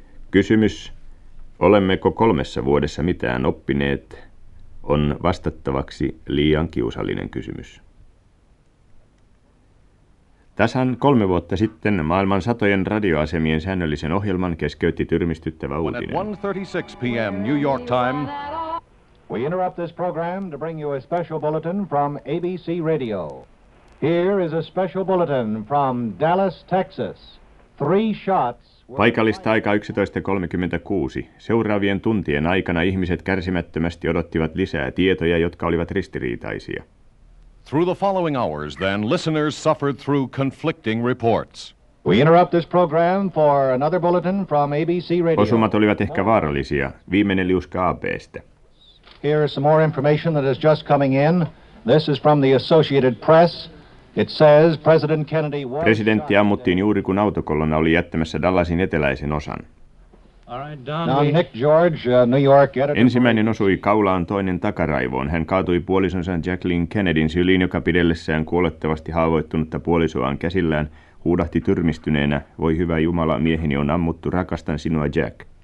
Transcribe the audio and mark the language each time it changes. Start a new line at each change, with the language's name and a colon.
Finnish: Kysymys, olemmeko 3 vuodessa mitään oppineet, on vastattavaksi liian kiusallinen kysymys. Tasan 3 vuotta sitten maailman satojen radioasemien säännöllisen ohjelman keskeytti tyrmistyttävä uutinen.
English: 1:36 p.m. New York time. We interrupt this program to bring you a special bulletin from ABC Radio. Here is a special bulletin from Dallas, Texas. 3 shots.
Finnish: Paikallista aikaa 11.36. Seuraavien tuntien aikana ihmiset kärsimättömästi odottivat lisää tietoja, jotka olivat ristiriitaisia.
English: Through the following hours, then, listeners suffered through conflicting reports. We interrupt this program for another bulletin from ABC Radio.
Finnish: Osumat olivat ehkä vaarallisia. Viimeinen liuska AB:stä.
English: Here is some more information that is just coming in. This is from the Associated Press. It says President Kennedy was...
Finnish: Presidentti ammuttiin juuri kun autokolonna oli jättämässä Dallasin eteläisen osan.
English: Nick George, New York editor.
Finnish: Ensimmäinen osui kaulaan, toinen takaraivoon. Hän kaatui puolisonsa Jacqueline Kennedyn syliin, joka pidellessään kuolettavasti haavoittunutta puolisoaan käsillään huudahti tyrmistyneenä: "Voi hyvä Jumala, mieheni on ammuttu, rakastan sinua, Jack."